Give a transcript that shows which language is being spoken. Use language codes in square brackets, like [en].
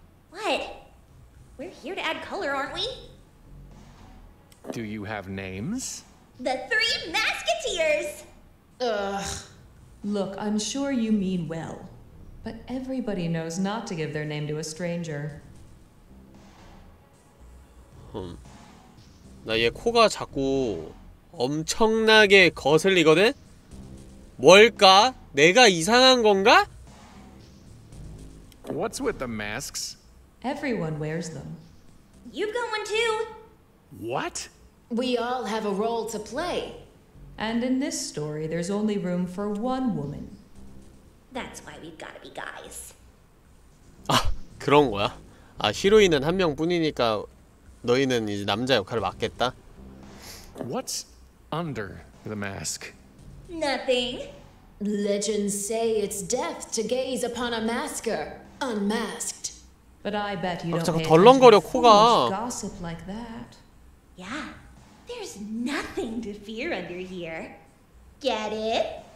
[en] What? We're here to add color, aren't we? Do you have names? The Three Musketeers! Ugh. Look, I'm sure you mean well, but everybody knows not to give their name to a stranger. Hmm. [ko] 나 얘 코가 자꾸 엄청나게 거슬리거든? 뭘까? 내가 이상한 건가? [en] What's with the masks? Everyone wears them. You've got one too. What? We all have a role to play. And in this story, there's only room for one woman. That's why we've gotta be guys. [ko] 아, 그런 거야? 아, 히로인은 한 명뿐이니까 너희는 이제 남자 역할을 맡겠다. [en] What's under the mask? Nothing. Legends say it's death to gaze upon a masker unmasked. But I bet you don't. [ko] 아, 잠깐 덜렁거려 코가. [en] Gossip like that. Yeah. There's nothing to fear under here. Get it?